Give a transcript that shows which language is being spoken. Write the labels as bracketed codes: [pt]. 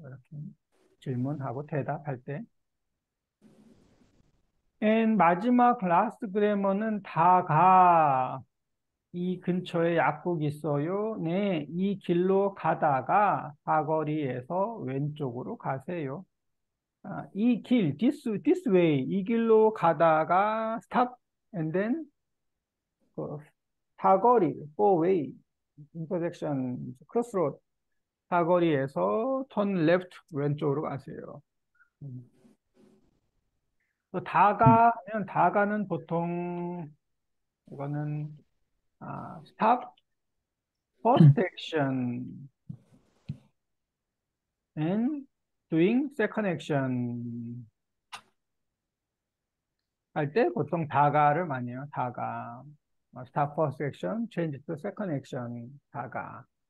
[ko] 이렇게 질문하고 대답할 때. And 마지막 last grammar는 다가 이 근처에 약국 있어요. 네, 이 길로 가다가 사거리에서 왼쪽으로 가세요. 아, 이 길, this way, 이 길로 가다가 [en] stop and then [ko] 사거리, four way, intersection, crossroad 사거리에서 [en] turn left [ko] 왼쪽으로 가세요. 다가면 다가는 보통 이거는 [en] stop, first action, and doing second action [ko] 할때 보통 다가를 많이 해요. [en] 다가, stop first action, change to second action, 다가.